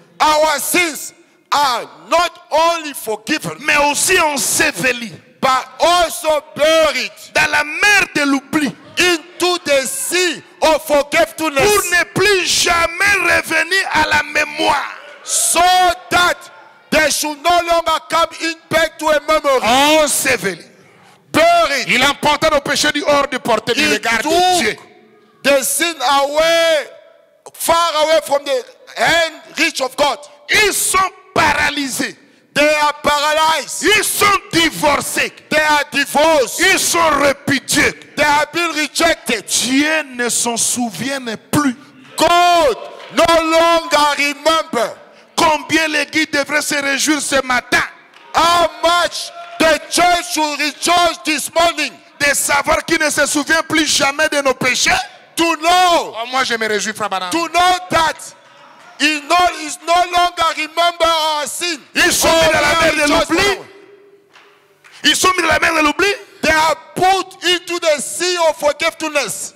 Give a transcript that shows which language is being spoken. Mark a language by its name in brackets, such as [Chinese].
[English] Our sins are not only forgiven, [French] mais aussi enseveli, [English] but also buried, [French] dans la mer de l'oubli, [English] into the sea of forgetfulness, [French] pour ne plus jamais revenir à la mémoire, [English] so that they should no longer come in back to a memory, [French] enseveli, [English] buried. [French] Il emporta nos péchés du hors de portée du regard de Dieu. [English] The sin away, far away from the hand reach of God. [French] Ils sont paralysés. [English] They are paralyzed. [French] Ils sont divorcés. [English] They are divorced. [French] Ils sont repudiés. [English] They have been rejected. [French] Dieu ne s'en souvient plus. [English] God no longer remember. [French] Combien l'église devrait se réjouir ce matin? [English] How much the church should rejoice this morning? [French] De savoir qu'il ne se souvient plus jamais de nos péchés? [English] To know. [French] Oh, moi je me réjouis, frère Banane. [English] To know that. He's no longer remember our sin. [French] Ils sont mis dans la mer de l'oubli. Ils sont mis dans la mer de l'oubli. [English] They are put into the sea of forgetfulness.